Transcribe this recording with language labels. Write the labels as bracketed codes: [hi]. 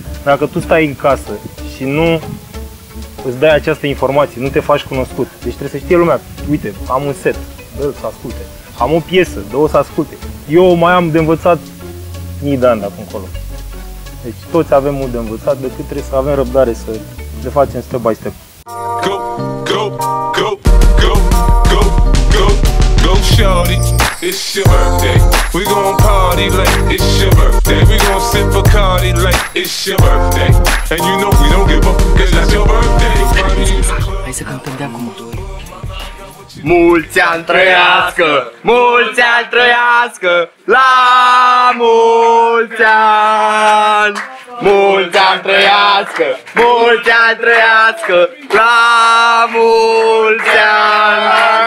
[ro] Dacă tu stai în casă și nu îți dai această informație, nu te faci cunoscut. Deci trebuie să știe lumea, uite, am un set, dă să asculte. Am o piesă, dă-o să asculte. Eu mai am de învățat mii de ani de acum încolo. Deci toți avem mult de învățat, decât trebuie să avem răbdare să le facem step by step. [en] Go, go, go, go, go, go, go, shorty. It's your birthday, we gon' party like it's your birthday. We gon' sip Bacardi like it's your birthday. And you know we don't give up, cause that's your birthday. [ro] Hai să cântăm de acum. Mulți ani trăiască, mulți ani trăiască, la mulți ani. Mulți ani trăiască, mulți ani trăiască, la mulți ani.